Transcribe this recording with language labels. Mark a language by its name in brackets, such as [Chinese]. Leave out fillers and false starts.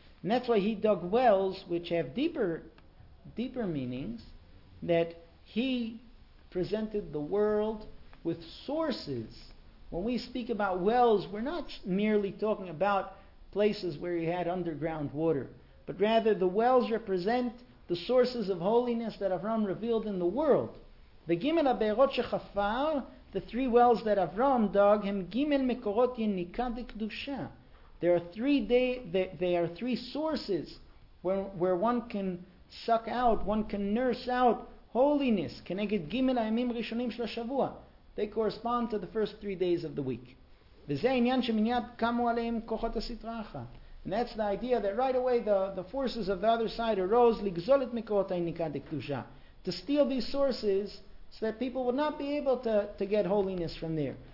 [English] And that's why he dug wells which have deeper meanings, that he presented the world with sources. When we speak about wells, we're not merely talking about places where you had underground water, but rather the wells represent the sources of holiness that Avram revealed in the world. [Hebrew] וגימל הבארות שחפר, [English] the 3 wells that Avram dug, [Hebrew] הם גימל מקורות יניקה דקדושה. [English] There are three sources where one can suck out, one can nurse out holiness. [Hebrew] כנגד גימל הימים ראשונים של השבוע. [English] They correspond to the first 3 days of the week. [Hebrew] וזה העניין שמניעת קמו עליהם כוחות הסטרה אחת. [English] And that's the idea that right away the forces of the other side arose, [Hebrew] ligzolit mikorot ha'inikah dekdusha, [English] to steal these sources so that people would not be able to get holiness from there.